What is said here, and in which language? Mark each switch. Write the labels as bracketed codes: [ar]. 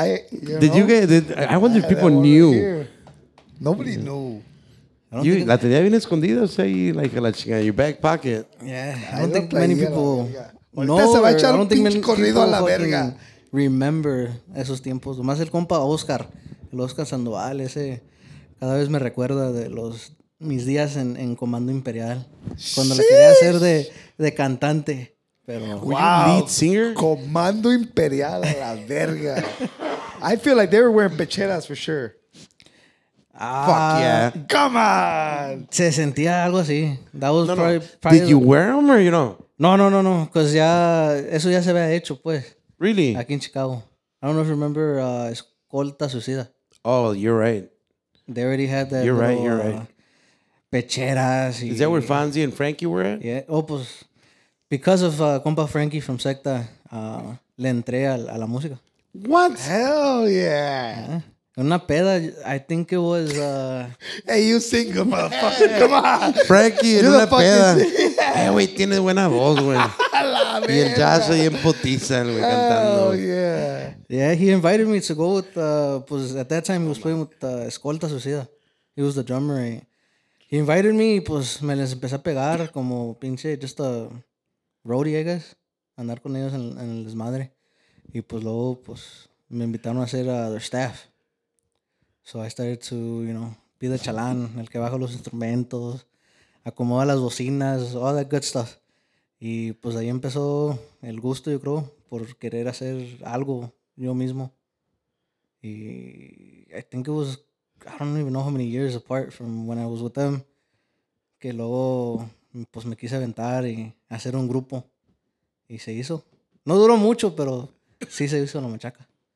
[en] I wonder if people knew. Nobody knew. You [es] la tenía bien escondida, [en] say, like, [es] la chica, [en] in your back pocket. Yeah. I don't think many people remember [es] esos tiempos. Más el compa Oscar. El Oscar Sandoval, ese cada vez me recuerda de mis días en Comando Imperial. Cuando le quería hacer de cantante. Pero, [en] wow. Lead singer? [es] Comando Imperial, a la verga. [en] I feel like they were wearing pecheras for sure. Fuck yeah. Come on! [es] Se sentía algo así. [en] That was Did you wear them or you don't? [es] No. [en] Because [es] ya, eso ya se había hecho, pues. [en] Really? [es] Aquí en Chicago. [en] I don't know if you remember Escolta Suicida. Oh, you're right. They already had that. You're little, right, you're right. [es] Pecheras. [en] Is that where Fonzie and Frankie were at? Yeah. Oh, pues, because of compa Frankie from Secta, [es] le entré a la música. [en] What? Hell yeah. [es] Una peda, [en] I think it was... Hey, you single, motherfucker. Yeah. Come on. [es] Frankie, en una peda. Hey, güey, tienes buena voz, güey. Y el Josh ahí en putiza, güey, cantando. [en] Oh, yeah. Yeah, he invited me to go with... pues, at that time, he was playing with Escolta Suicida. He was the drummer. He invited me, [es] pues, me les empecé a pegar como pinche... [en] Just a roadie, I guess. [es] Andar con ellos en el desmadre. Y, pues, luego, pues, me invitaron a ser [en] their staff. So I started to, you know, be the [es] chalán, el que baja los instrumentos, acomoda las bocinas, [en] all that good stuff. [es] Y pues ahí empezó el gusto, yo creo, por querer hacer algo yo mismo. Y [en] I think it was, I don't even know how many years apart from when I was with them, [es] que luego pues me quise aventar y hacer un grupo. Y se hizo. No duró mucho, pero sí se hizo la machaca.